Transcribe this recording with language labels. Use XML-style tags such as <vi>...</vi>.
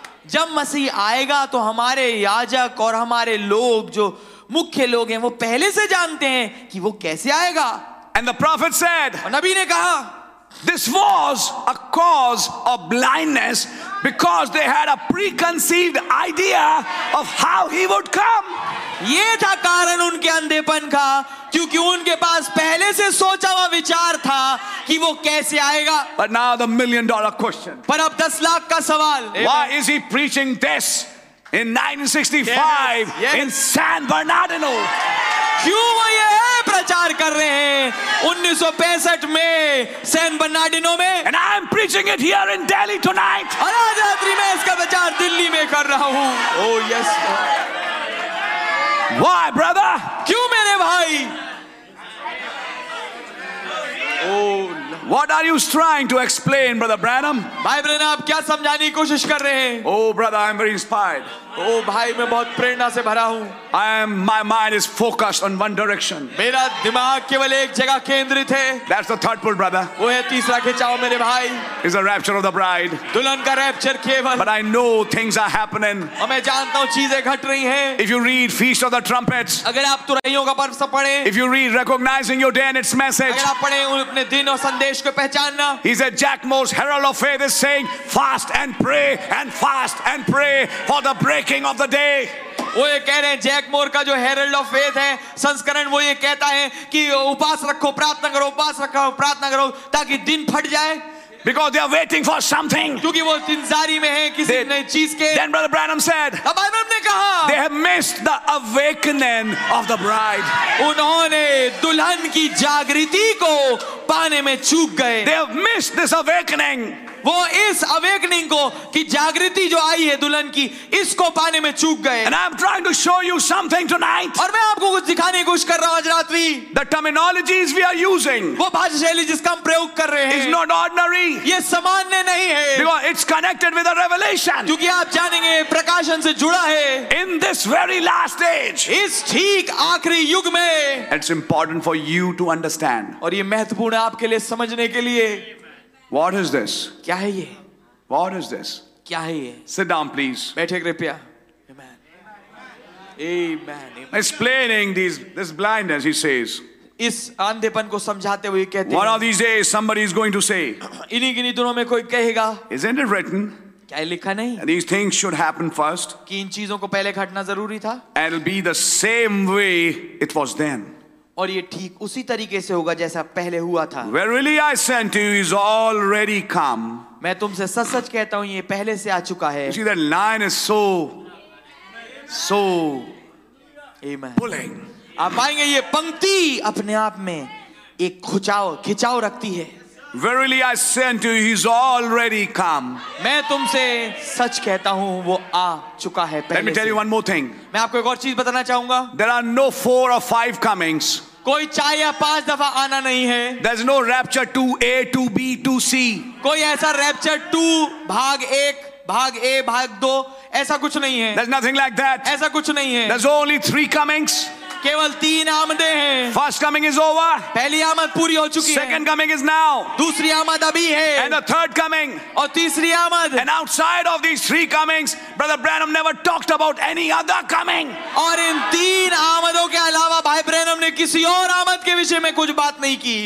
<hi>जब मसीह आएगा, तो हमारे याजक और हमारे लोग जो मुख्य लोग हैं वो पहले से जानते हैं कि वो कैसे आएगा.</hi> <en>And the prophet said,</en> <hi>नबी ने कहा,</hi> <en>this was a cause of blindness because they had a preconceived idea of how he would come.</en> <hi>ये था कारण उनके अंधेपन का, क्योंकि उनके पास पहले से सोचा हुआ विचार था कि वो कैसे आएगा.</hi> <en>But now the million-dollar question.</en> <hi>पर अब 10 लाख का सवाल.</hi> <en>Why is he preaching this? In 1965, yes, yes. In San Bernardino.</en> <hi>क्यों वो ये प्रचार कर रहे हैं 1965 में सैन बर्नार्डिनो में?</hi> <en>And I am preaching it here in Delhi tonight.</en> <hi>और आज रात्रि में इसका प्रचार दिल्ली में कर रहा हूं.</hi> <en>Oh yes. Why, brother?</en> <hi>क्यों मेरे भाई?</hi> <en>Oh, what are you trying to explain, Brother Branham?</en> <hi>भाई ब्रदर आप क्या समझाने की कोशिश कर रहे हैं?</hi> <en>Oh, brother, I am very inspired.</en> <hi>Oh, भाई मैं बहुत प्रेरणा से भरा हूँ.</hi> <en>My mind is focused on one direction.</en> <hi>मेरा दिमाग केवल एक जगह केंद्रित है.</hi> <en>That's the third pull, brother.</en> <hi>वो है तीसरा खिंचाव मेरे भाई.</hi> <en>Is the rapture of the bride.</en> <hi>दुल्हन का रैप्चर केवल.</hi> <en>But I know things are happening.</en> <hi>और मैं जानता हूँ चीजें घट रही हैं.</hi> <en>If you read Feast of the Trumpets.</en> <hi>अगर आप तुरहियों का पर्व सब पढ़ें.</hi> <en>If you read Recognizing Your Day and Its Message.</en> <hi>अगर आप पढ़ें अपने दिन और संदेश को पहचानना.</hi> <en>He said Jack Moore's Herald of Faith is saying fast and pray and fast and pray for the breaking of the day.</en> <hi>वो ये कह रहे हैं जैक मोर का जो हेरल्ड ऑफ फेथ है संस्करण, वो ये कहता है कि उपास रखो, प्रार्थना करो, उपास रखो, प्रार्थना करो, ताकि दिन फट जाए.</hi> <en>Because they are waiting for something.</en> <hi>क्योंकि वो इंतजारी में हैं किसी नई चीज के.</hi> <en>Then Brother Branham said.</en> <hi>अब भाई ब्रदर ने कहा.</hi> <en>They have missed the awakening of the bride.</en> <hi>उन्होंने दुल्हन की जागृति को पाने में चूक गए.</hi> <en>They have missed this awakening.</en> <hi>वो इस अवेकनिंग को कि जागृति जो आई है दुल्हन की, इसको पाने में चूक गए.</hi> <en>And I'm trying to show you something tonight.</en> <hi>और मैं आपको कुछ दिखाने की कोशिश कर रहा हूं आज रात्रि.</hi> <en>The terminologies we are using.</en> <hi>वो भाषा शैली जिसका हम प्रयोग कर रहे हैं.</hi> <en>Is not ordinary.</en> <hi>ये सामान्य नहीं है.</hi> <en>Because it's connected with a revelation.</en> <hi>क्योंकि आप जानेंगे प्रकाशन से जुड़ा है.</hi> <en>In this very last age.</en> <hi>इस ठीक आखिरी युग में.</hi> <en>It's important for you to understand.</en> <hi>और ये महत्वपूर्ण है आपके लिए समझने के लिए.</hi> <en>What is this?</en> <hi>क्या है ये?</hi> <en>What is this?</en> <hi>क्या है ये?</hi> <en>Sit down, please.</en> <hi>बैठे कृपया.</hi> <en>Amen. Amen. Explaining this blindness, he says.</en> <hi>इस अंधेपन को समझाते हुए कहते हैं.</hi> <en>One of these days, somebody is going to say.</en> <hi>इन्हीं गिनी दिनों में कोई कहेगा.</hi> <en>Isn't it written?</en> <hi>क्या लिखा नहीं?</hi> <en>These things should happen first.</en> <hi>कि इन चीजों को पहले घटना जरूरी था.</hi> <en>And it'll be the same way it was then.</en> <hi>और ये ठीक उसी तरीके से होगा जैसा पहले हुआ था.</hi> <en>Verily I sent you is already come.</en> <hi>मैं तुमसे सच सच कहता हूँ ये पहले से आ चुका है.</hi> <en>You see that line is so Amen. Pulling.</en> <hi>आप पाएंगे ये पंक्ति अपने आप में एक खिंचाव रखती है.</hi> <en>Verily I sent you is already come.</en> <hi>मैं तुमसे सच कहता हूँ वो आ चुका है पहले.</hi> <en>Let me tell you one more thing.</en> <hi>मैं आपको एक और चीज बताना चाहूंगा.</hi> <en>There are no 4 or 5 comings.</en> <hi>कोई 4 या 5 दफा आना नहीं है.</hi> <en>There's no rapture 2A, 2B, 2C.</en> <hi>कोई ऐसा rapture 2 भाग 1, भाग A, भाग 2 ऐसा कुछ नहीं है.</hi> <en>There's nothing like that.</en> <hi>ऐसा कुछ नहीं है.</hi> <en>There's only 3 comings.</en> <hi>केवल तीन आमदें हैं.</hi> <en>First coming is over.</en> <hi>पहली आमद पूरी हो चुकी है.</hi> <en>Second coming is now.</en> <hi>दूसरी आमद अभी है.</hi> <en>And the third coming.</en> <hi>और तीसरी आमद.</hi> <en>And outside of these three comings, Brother Branham never talked about any other coming.</en> <hi>और इन तीन आमदों के अलावा भाई ब्रैनम ने किसी और आमद के विषय में कुछ बात नहीं की.</hi>